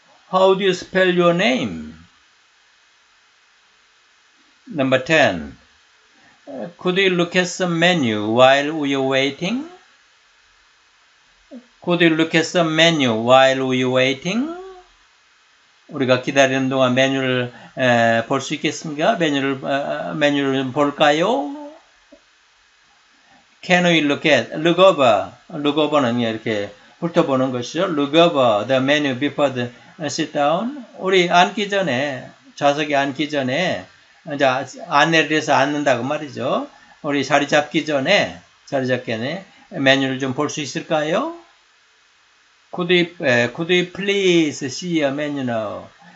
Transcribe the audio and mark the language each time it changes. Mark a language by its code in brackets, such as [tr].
[en] How do you spell your name? Number 10. Could you look at some menu while we are waiting? Could you look at some menu while we are waiting? [ko] 우리가 기다리는 동안 메뉴를 볼 수 있겠습니까? 메뉴를 좀 볼까요? [en] Can we look at, look over. [ko] Look over는 이렇게 훑어보는 것이죠. [en] Look over the menu before the sit down. [ko] 우리 앉기 전에, 좌석에 앉기 전에 이제 안내를 해서 앉는다고 말이죠. 우리 자리 잡기 전에 메뉴를 좀 볼 수 있을까요? [en] Could we please see a menu now?